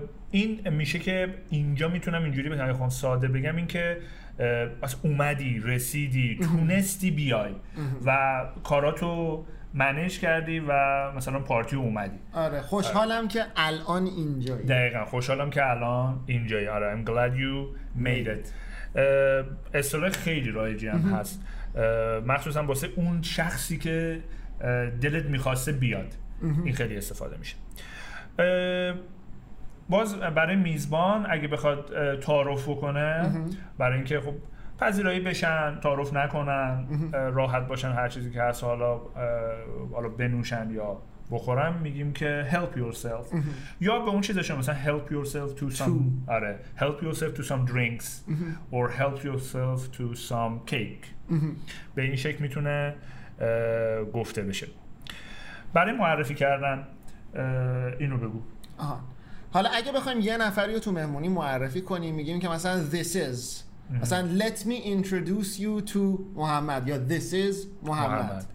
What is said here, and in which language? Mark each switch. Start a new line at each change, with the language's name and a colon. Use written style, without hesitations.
Persian: این میشه که اینجا میتونم اینجوری بگم، خب ساده بگم، این که از اومدی، رسیدی، تونستی بیای و کاراتو منیج کردی و مثلا پارتی اومدی. آره خوشحالم. آره. که الان اینجایی. دقیقا خوشحالم که الان اینجایی. آره
English: I'm glad you made it.
Persian: اصطلاح خیلی رایجی هم هست، مخصوصا واسه اون شخصی که دلت میخواسته بیاد. این خیلی استفاده میشه. باز برای میزبان اگه بخواد تعارف کنه، برای اینکه خب پذیرایی بشن، تعارف نکنن، راحت باشن، هر چیزی که هست حالا بنوشن یا بخورن، میگیم که
English: help yourself.
Persian: یا به اون چیزشون مثلا
English: help yourself to some،
Persian: آره
English: help yourself to some drinks or help yourself to some cake.
Persian: به این شکل میتونه گفته بشه. برای معرفی کردن اینو بگو. حالا اگه بخوایم یه نفری رو تو مهمونی معرفی کنیم، میگیم که مثلا
English: this is،
Persian: مثلا
English: let me introduce you to
Persian: محمد، یا
English: this is
Persian: محمد.